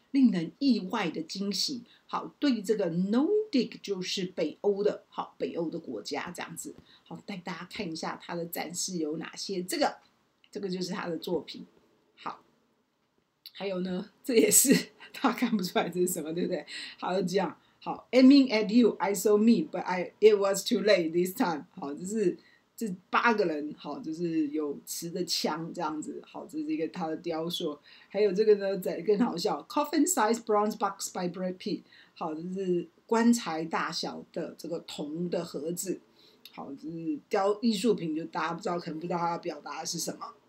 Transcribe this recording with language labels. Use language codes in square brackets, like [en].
[zh] 令人意外的惊喜。好，对这个 Nordic 就是北欧的，好，北欧的国家这样子。好，带大家看一下它的展示有哪些。这个就是他的作品。好，还有呢，这也是他看不出来这是什么，对不对？好，这样。 [en] 好 ，aiming at you, I saw me, but it was too late this time。 [zh] 好，这是这八个人，好，就是有持着枪这样子。好，这是一个他的雕塑。还有这个呢，再更好笑 ， [en] coffin size bronze box by Brad Pitt。 [zh] 好，这是棺材大小的这个铜的盒子。好，这是雕艺术品，就大家不知道，可能不知道他要表达的是什么。